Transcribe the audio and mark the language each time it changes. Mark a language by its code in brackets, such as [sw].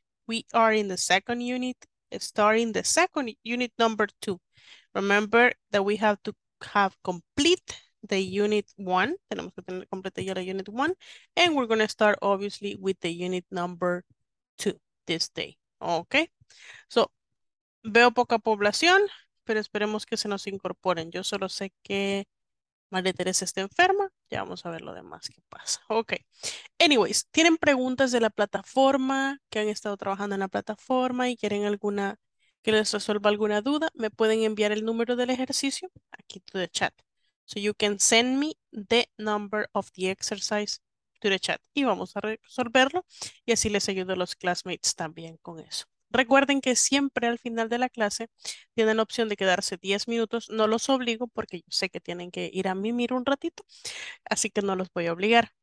[en] We are in the second unit, starting the second unit number two. Remember that we have to have complete the unit one. [es] Tenemos que tener completa ya la unit one. [en] And we're going to start, obviously, with the unit number two this day. Okay? [es] So, veo poca población, pero esperemos que se nos incorporen. Yo solo sé que María Teresa está enferma. Ya vamos a ver lo demás que pasa. Ok. Anyways, ¿tienen preguntas de la plataforma? ¿Que han estado trabajando en la plataforma y quieren alguna, que les resuelva alguna duda? Me pueden enviar el número del ejercicio aquí [en] to the chat. So you can send me the number of the exercise to the chat. [es] Y vamos a resolverlo. Y así les ayudo a los classmates también con eso. Recuerden que siempre al final de la clase tienen la opción de quedarse 10 minutos. No los obligo porque yo sé que tienen que ir a mimir un ratito, así que no los voy a obligar.